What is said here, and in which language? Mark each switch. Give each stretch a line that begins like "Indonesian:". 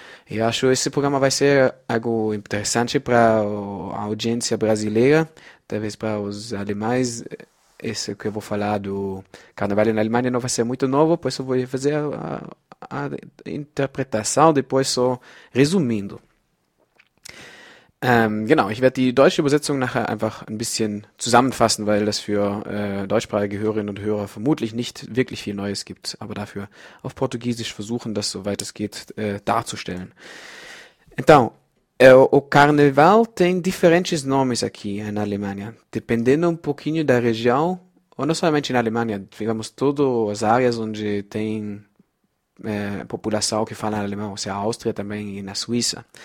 Portuguese: Eu acho que esse programa vai ser algo interessante para a audiência brasileira, talvez para os alemães. Esse que eu vou falar do carnaval na Alemanha não vai ser muito novo, por isso eu vou fazer a Interpretation, depois so resumindo.
German: Genau, ich werde die deutsche Übersetzung nachher einfach ein bisschen zusammenfassen, weil das für deutschsprachige Hörerinnen und Hörer vermutlich nicht wirklich viel Neues gibt, aber dafür auf Portugiesisch versuchen, das soweit es geht darzustellen.
Portuguese: Então, o Carnaval tem diferentes nomes aqui na Alemanha, dependendo pouquinho da região, ou não somente na Alemanha, digamos, todas as áreas onde tem população que fala alemão, ou seja, a Áustria também e na Suíça.